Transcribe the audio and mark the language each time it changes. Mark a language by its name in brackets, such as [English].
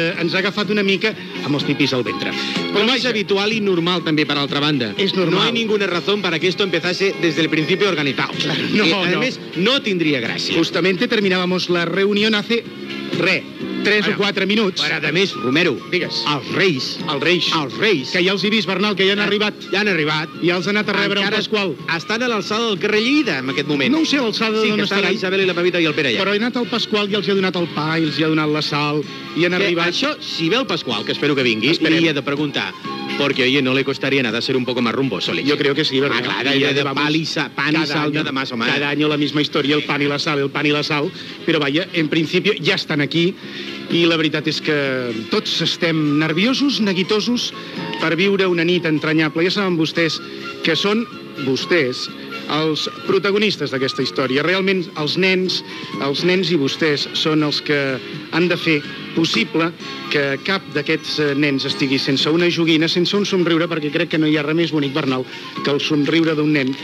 [Catalan] ens ha agafat una mica amb els pipis al ventre. Com és habitual i normal, també, per altra banda. És normal. [Spanish] No hay ninguna razón para que esto empezase desde el principio organizado. [Catalan] No, no. A més, no tindria gràcia. [Spanish] Justamente terminábamos la reunión hace... [Catalan] tres o quatre minuts. Ara, de més, Romero, digues. Els Reis. Que ja els he vist, Bernal, que ja han arribat. Ja han arribat. I els han anat a rebre encara el Pasqual. Estan a l'alçada del carrer Lleida, en aquest moment. No ho sé, l'alçada sí, d'on estan. Sí, que estan la Isabel i la Pepita i el Pere allà. Però he anat al Pasqual i els he donat el pa, i els he donat la sal, i han arribat. Això, si ve el Pasqual, que espero que vingui, esperem. I he de preguntar, [Spanish] porque, oye, no le costaría nada ser un poco más rumboso, leche. Yo creo que sí, ¿verdad? Ah, claro, y de pan y sal, pan y sal, nada más o más. Cada año la misma historia, el pan y la sal, el pan y la sal. Pero vaya, en principio ya están aquí. [Catalan] I la veritat és que tots estem nerviosos, neguitosos, per viure una nit entranyable. Ja saben vostès que són vostès els protagonistes d'aquesta història. Realment, els nens i vostès són els que han de fer possible que cap d'aquests nens estigui sense una joguina, sense un somriure, perquè crec que no hi ha res més bonic, Bernal, que el somriure d'un nen.